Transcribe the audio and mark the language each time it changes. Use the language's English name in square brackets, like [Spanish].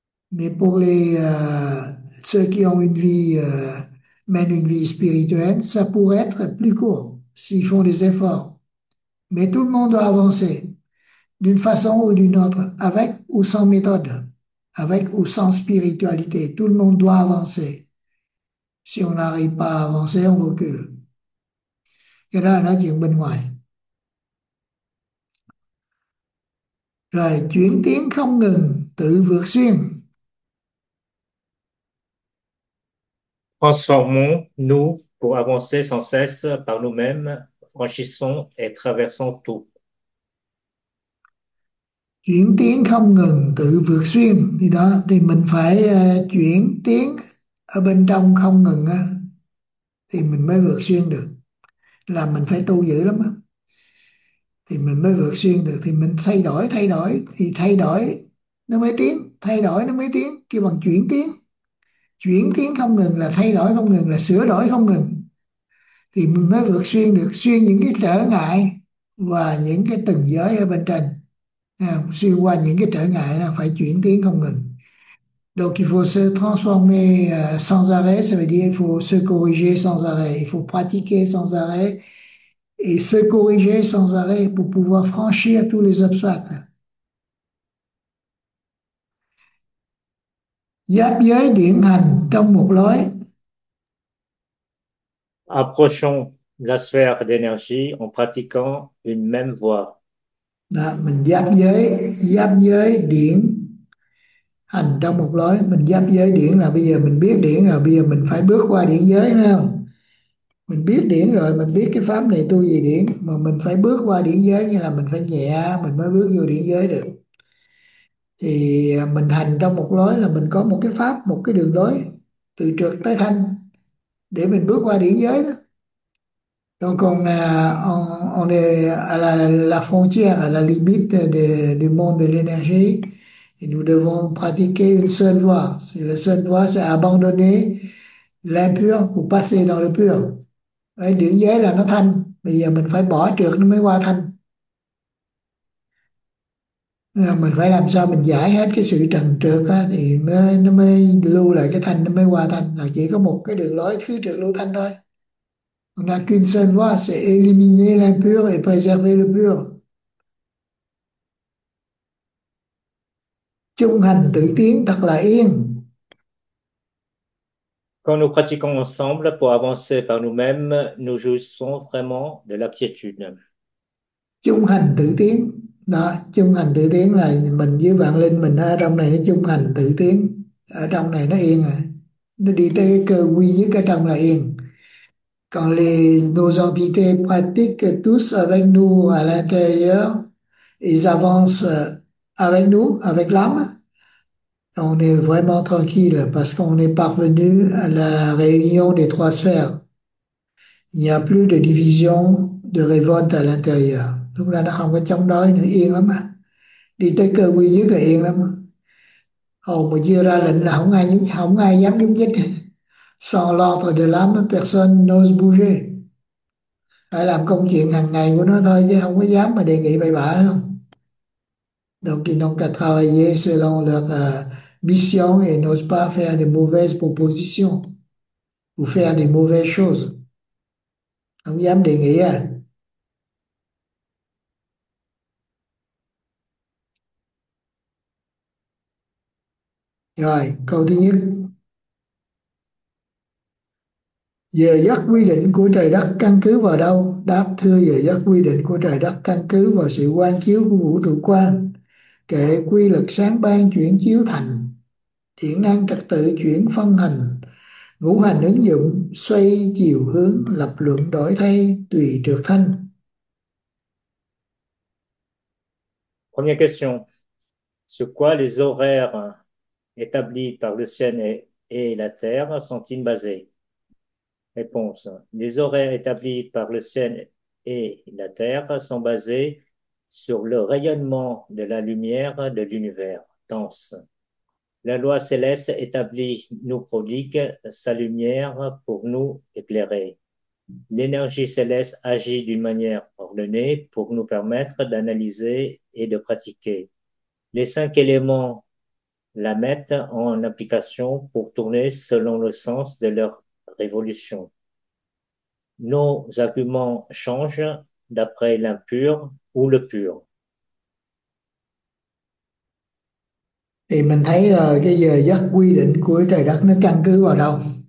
[French] Mais pour ceux qui ont une vie, mènent une vie spirituelle, ça pourrait être plus court s'ils font des efforts. Mais tout le monde doit avancer d'une façon ou d'une autre, avec ou sans méthode, avec ou sans spiritualité. Tout le monde doit avancer. Si on n'arrive pas à avancer, on recule. [Vietnamese] Cái đó là nói chuyện bên ngoài. Rồi, chuyển tiến không ngừng, tự vượt xuyên. [French] Transformons-nous pour avancer sans cesse par nous-mêmes, franchissons et traversons tout. [Vietnamese] Chuyển tiến không ngừng, tự vượt xuyên. Thì đó, thì mình phải chuyển tiến ở bên trong không ngừng á, thì mình mới vượt xuyên được. Là mình phải tu dữ lắm á, thì mình mới vượt xuyên được. Thì mình thay đổi, thay đổi, thì thay đổi nó mới tiến, thay đổi nó mới tiến, kêu bằng chuyển tiến. Chuyển tiến không ngừng là thay đổi không ngừng, là sửa đổi không ngừng, thì mình mới vượt xuyên được, xuyên những cái trở ngại và những cái tầng giới ở bên trên. Xuyên qua những cái trở ngại là phải chuyển tiến không ngừng. [French] Donc il faut se transformer sans arrêt, ça veut dire il faut se corriger sans arrêt, il faut pratiquer sans arrêt et se corriger sans arrêt pour pouvoir franchir tous les obstacles. [Vietnamese] Giáp giới điển hành trong một lối. [French] Approchons la sphère d'énergie en pratiquant une même voie. [Vietnamese] Đó, mình giáp giới điển hành trong một lối. Mình giáp giới điển là bây giờ mình biết điển rồi, bây giờ mình phải bước qua điển giới, phải không? Mình biết điển rồi, mình biết cái pháp này tu gì điển, mà mình phải bước qua điển giới, như là mình phải nhẹ mình mới bước vô điển giới được. Thì mình hành trong một lối là mình có một cái pháp, một cái đường lối từ trược tới thanh để mình bước qua điển giới đó. [French] Donc on est à la frontière, à la limite du monde de l'énergie, et nous devons pratiquer une seule voie. La seule voie, c'est abandonner l'impur pour passer dans le pur. [Vietnamese] Et điển giới là nó thanh, bây giờ mình phải bỏ trược nó mới qua thanh. Nên mình phải làm sao mình giải hết cái sự trần trược á, thì nó mới lưu lại cái thanh, nó mới qua thanh. Là chỉ có một cái đường lối cứ trược lưu thanh thôi. [French] On n'a qu'une seule voie, c'est éliminer l'impur et préserver le pur. [Vietnamese] Chung hành tự tiến thật là yên. [French] Quand nous pratiquons ensemble pour avancer par nous-mêmes, nous jouissons vraiment de l'aptitude. [Vietnamese] Chung hành tự tiến. Đó, chung hành tự tiến là mình với vạn linh mình ở trong này nó chung hành tự tiến. Ở trong này nó yên à. Nó đi tới cơ quy nhất ở trong là yên. [French] Quand nos entités pratiquent tous avec nous à l'intérieur, ils avancent avec nous, avec l'âme, on est vraiment tranquille parce qu'on est parvenu à la réunion des trois sphères. Il n'y a plus de division, de révolte à l'intérieur. [Vietnamese] Lúc là nó không có chống đối nữa, yên lắm á. Đi tới cơ quy nhất là yên lắm. Hầu mà chưa ra lệnh là không ai dám nhúc nhích. [French] Sans l'ordre de l'âme, personne n'ose bouger. [Vietnamese] Phải làm công chuyện hàng ngày của nó thôi chứ không có dám mà đề nghị bậy bạ đâu. [French] Donc ils n'ont qu'à travailler selon leur mission et n'osent pas faire de mauvaises propositions ou faire de mauvaises choses. [Vietnamese] Không dám đề nghị à. Rồi, câu thứ nhất. Giờ giấc quy định của trời đất căn cứ vào đâu? Đáp, thưa, giờ giấc quy định của trời đất căn cứ vào sự quan chiếu của vũ trụ quan. Kệ quy lực sáng ban chuyển chiếu thành, điện năng trật tự chuyển phân hành, ngũ hành ứng dụng xoay chiều hướng, lập luận đổi thay tùy trược thanh. [French] Première question. Sur quoi les horaires établis par le ciel et la terre sont-ils basés? Réponse. Les horaires établis par le ciel et la terre sont basés sur le rayonnement de la lumière de l'univers dense. La loi céleste établie nous prodigue sa lumière pour nous éclairer. L'énergie céleste agit d'une manière ordonnée pour nous permettre d'analyser et de pratiquer. Les cinq éléments la mettent en application pour tourner selon le sens de leur révolution. Nos arguments changent d'après l'impur ou le pur. [Vietnamese] Thì mình thấy rồi, cái giờ giấc quy định của trời đất nó căn cứ vào đâu?